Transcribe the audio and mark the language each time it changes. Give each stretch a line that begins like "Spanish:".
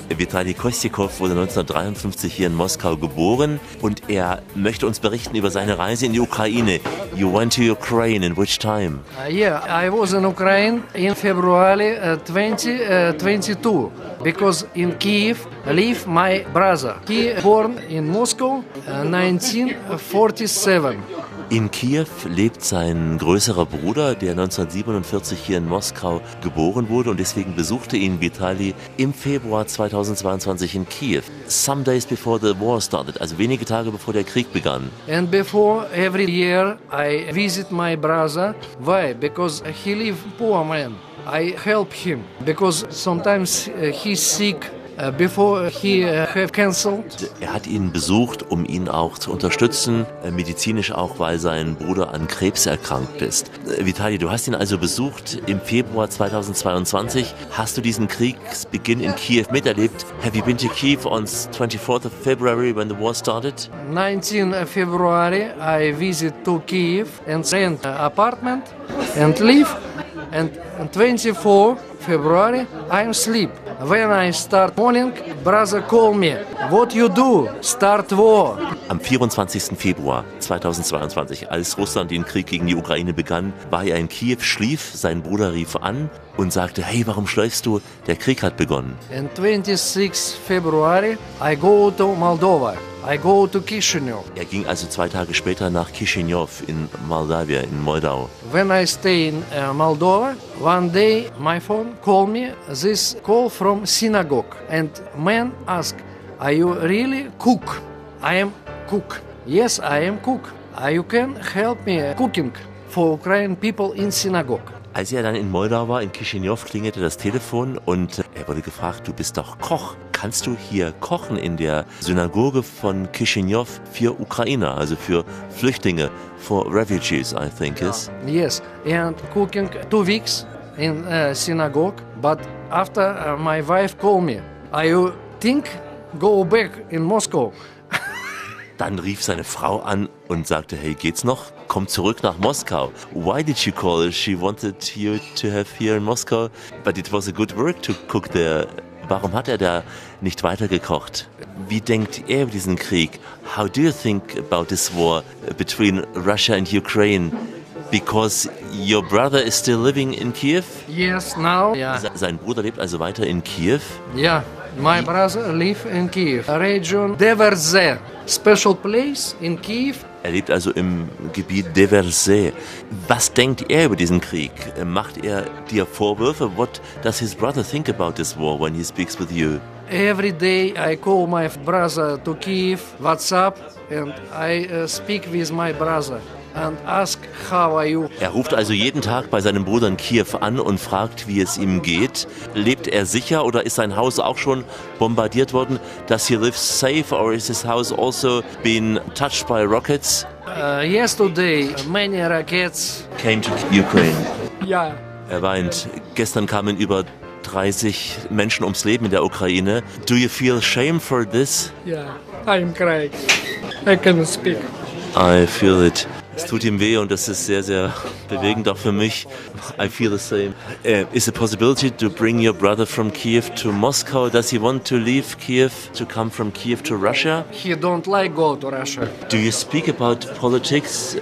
German: Vitali Kostikow wurde 1953 hier in Moskau geboren und er möchte uns berichten über seine Reise in die Ukraine.
English: You went to Ukraine in which time? Yeah, I was in Ukraine in February 2022 because in Kyiv live my brother. He born in Moscow 1947.
German: In Kiew lebt sein größerer Bruder, der 1947 hier in Moskau geboren wurde und deswegen besuchte ihn Vitali im Februar 2022 in Kiew.
English: Some days before the war started,
German: also wenige Tage bevor der Krieg begann.
English: And before every year I visit my brother. Why? Because he live poor man. I help him because sometimes he's sick. Before he have canceled.
German: Er hat ihn besucht, um ihn auch zu unterstützen, medizinisch auch, weil sein Bruder an Krebs erkrankt ist. Vitali, du hast ihn also besucht im Februar 2022. Hast du diesen Kriegsbeginn in Kiew miterlebt?
English: Have you been to Kiev on 24th of February when the war started? 19 February I visit to Kiev and rent apartment and live. And 24 February I'm sleep. When I start morning, brother call me. What you do? Start war.
German: Am 24. Februar 2022, als Russland den Krieg gegen die Ukraine begann, war er in Kiew, schlief, sein Bruder rief an und sagte: Hey, warum schläfst du? Der Krieg hat begonnen.
English: And 26 February I go to Moldova. I go to Chisinau.
German: Er ging also zwei Tage später nach Chisinau in Moldavia, in Moldau.
English: When I stay in Moldova, one day my phone call me this call from synagogue. And man ask, are you really cook? I am cook. Yes, I am cook. You can help me cooking for Ukrainian people in synagogue.
German: Als er dann in Moldau war, in Chisinau, klingelte das Telefon und er wurde gefragt, du bist doch Koch. Kannst du hier kochen in der Synagoge von Chisinau für Ukrainer, also für Flüchtlinge,
English: for refugees, I think, is? Yes, and cooking 2 weeks in synagogue, but after my wife call me, I think go back in Moscow.
German: Dann rief seine Frau an und sagte, hey, geht's noch? Komm zurück nach Moskau.
English: Why did she call? She wanted you to have here in Moscow, but it was a good work to cook there.
German: Warum hat er da nicht weitergekocht? Wie denkt er über diesen Krieg?
English: How do you think about this war between Russia and Ukraine? Because your brother is still living in Kiev? Yes, now. Yeah.
German: Sein Bruder lebt also weiter in Kiew?
English: Yeah, my brother live in Kiev. Region Deverze, special place in Kiev.
German: Er lebt also im Gebiet Deverze. Was denkt er über diesen Krieg? Macht er dir Vorwürfe?
English: What does his brother think about this war when he speaks with you? Every day I call my brother to Kiev, WhatsApp, and I speak with my brother and ask how are you.
German: Er ruft also jeden Tag bei seinem Bruder in Kiew an und fragt, wie es ihm geht. Lebt er sicher oder ist sein Haus auch schon bombardiert worden?
English: Does he live safe or is his house also been touched by rockets? Yesterday many rockets came to Ukraine. Yeah.
German: Er weint. Gestern kamen über 30 Menschen ums Leben in der Ukraine.
English: Do you feel shame for this? Yeah, I'm crying. I can't speak. I feel it.
German: Es tut ihm weh und das ist sehr, sehr bewegend auch für mich.
English: I feel the same. Is it a possibility to bring your brother from Kiev to Moscow? Does he want to leave Kiev, to come from Kiev to Russia? He don't like go to Russia. Do you speak about politics?